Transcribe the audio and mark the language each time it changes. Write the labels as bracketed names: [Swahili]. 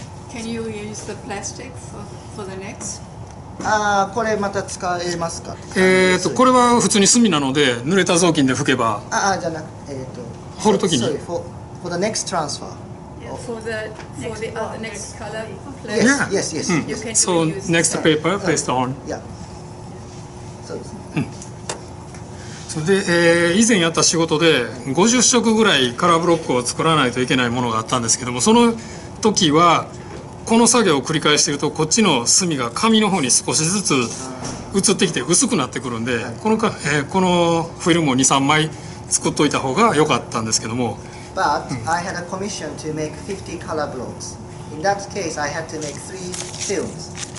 [English] Can you use the plastic for the next? [Japanese] これまた使えますか。これは普通に炭なので濡れた雑巾で拭けば。ああじゃなく掘るときに。 [English] Sorry, for the next transfer. For the next color plate. Yes. So next paper pasted on. Yeah. [Japanese] うん、で、以前やった仕事で50色ぐらいカラーブロックを作らないといけないものがあったんですけども、その時はこの作業を繰り返しているとこっちの墨が紙の方に少しずつ移ってきて薄くなってくるんで、このか、このフィルムを 2,3 枚作っといた方が良かったんですけども、うん、 [English] But I had a commission to make 50 color blocks. In that case, I had to make 3 films.